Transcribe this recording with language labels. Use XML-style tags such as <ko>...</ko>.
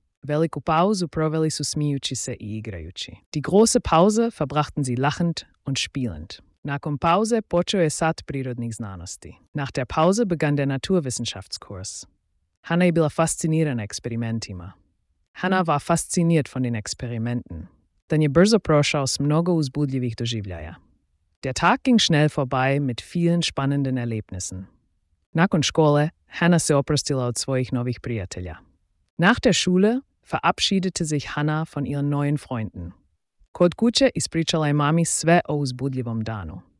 <hr>Veliku pauzu proveli su smijući se i igrajući.</hr> <de>Die große Pause verbrachten sie lachend und spielend.</de> <hr>Nakon pauze počeo je sat prirodnih znanosti.</hr> <de>Nach der Pause begann der Naturwissenschaftskurs.</de> <hr>Hanna je bila fascinirana eksperimentima.</hr> <de>Hanna war fasziniert von den Experimenten.</de> <hr>Dann je brzo prošao aus mnogo uzbudljivih doživljaja.</hr> <de>Der Tag ging schnell vorbei mit vielen spannenden Erlebnissen.</de> <hr>Nakon škole, Hanna se oprostila od svojih novih prijatelja.</hr> <de>Nach der Schule verabschiedete sich Hanna von ihren neuen Freunden.</de> <hr>Kod kuće ispričala je mami sve o uzbudljivom danu.</hr>